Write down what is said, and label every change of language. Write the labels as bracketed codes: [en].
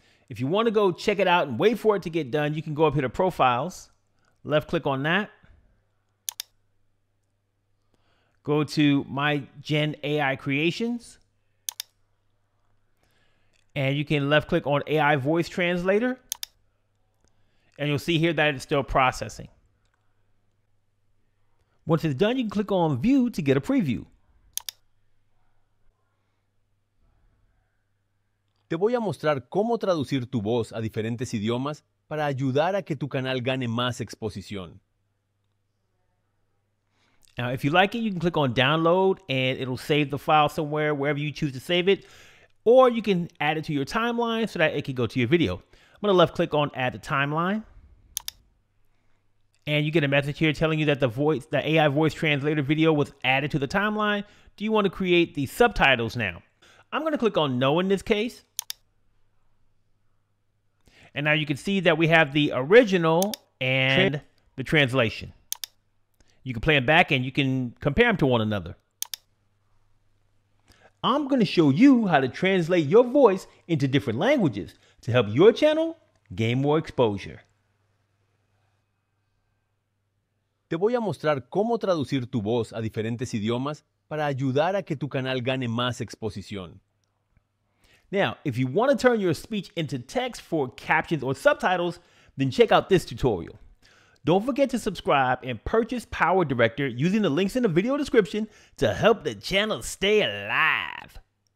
[en] If you want to go check it out and wait for it to get done, you can go up here to Profiles, left click on that, go to My Gen AI Creations, and you can left click on AI Voice Translator, and you'll see here that it's still processing. Once it's done, you can click on View to get a preview. [es] Te voy a mostrar cómo traducir tu voz a diferentes idiomas para ayudar a que tu canal gane más exposición. [en] Now, if you like it, you can click on download and it'll save the file somewhere, wherever you choose to save it. Or you can add it to your timeline so that it can go to your video. I'm going to left click on add to timeline. And you get a message here telling you that the AI voice translator video was added to the timeline. Do you want to create the subtitles now? I'm going to click on no in this case. And now you can see that we have the original and the translation. You can play them back and you can compare them to one another. I'm going to show you how to translate your voice into different languages to help your channel gain more exposure. [es] Te voy a mostrar cómo traducir tu voz a diferentes idiomas para ayudar a que tu canal gane más exposición. [en] Now, if you want to turn your speech into text for captions or subtitles, then check out this tutorial. Don't forget to subscribe and purchase PowerDirector using the links in the video description to help the channel stay alive.